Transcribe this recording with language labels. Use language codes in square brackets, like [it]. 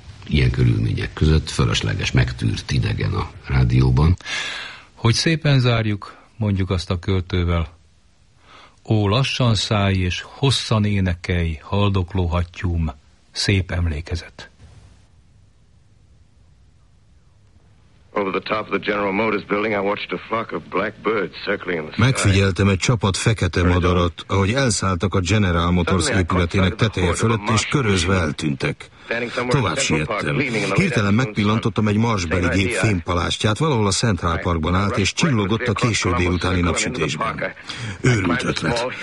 [hu] Ilyen körülmények között fölösleges, megtűrt idegen a rádióban. Hogy szépen zárjuk, mondjuk azt a költővel, ó, lassan szállj és hosszan énekelj, haldokló hattyúm, szép emlékezet. [en] Over the top of the General Motors building, I watched a flock of black birds circling in the sky. [hu] Megfigyeltem egy csapat fekete madarat, ahogy elszálltak a General Motors épületének teteje fölött, és körözve eltűntek. Tovább siettem. Hirtelen megpillantottam egy marsbeli gép fémpalástját, valahol a Central Parkban állt, és csillogott a késő délutáni napsütésben. Őrült ötlet.